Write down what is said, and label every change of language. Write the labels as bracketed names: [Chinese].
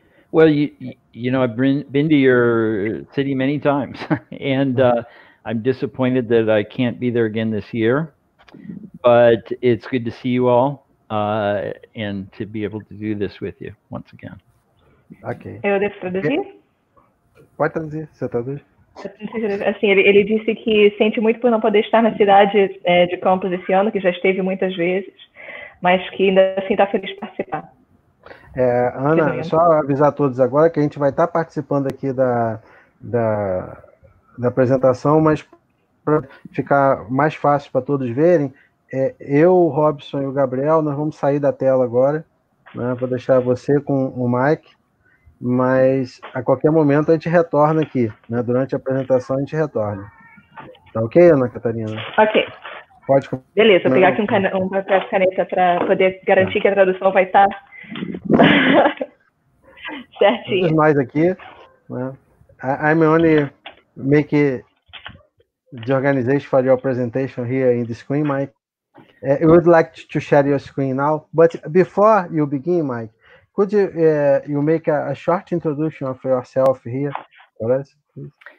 [English] Well, you know, I've been to your city many times, and I'm disappointed that I can't be there again this year, but it's good to see you all and to be able to do this with you once again. Okay. [Portuguese] Eu devo traduzir? Pode traduzir, você traduz. Assim, ele disse que sente muito por não poder estar na cidade de Campos esse ano, que já esteve muitas vezes, mas que ainda assim está feliz de participar. Ana, só avisar a todos agora que a gente vai estar participando aqui da apresentação, mas para ficar mais fácil para todos verem, eu, o Robson e o Gabriel, nós vamos sair da tela agora, né? Vou deixar você com o Mike, mas a qualquer momento a gente retorna aqui, né? Durante a apresentação a gente retorna. Tá ok, Ana Catarina? Ok. Pode. Beleza, vou pegar aqui um papel de caneta para poder garantir que a tradução vai estar certinha. Todos nós aqui, né? [English] I'm only... make it the organization for your presentation here in the screen, Mike. I would like to share your screen now, but before you begin, Mike, could you make a short introduction of yourself here for us, please?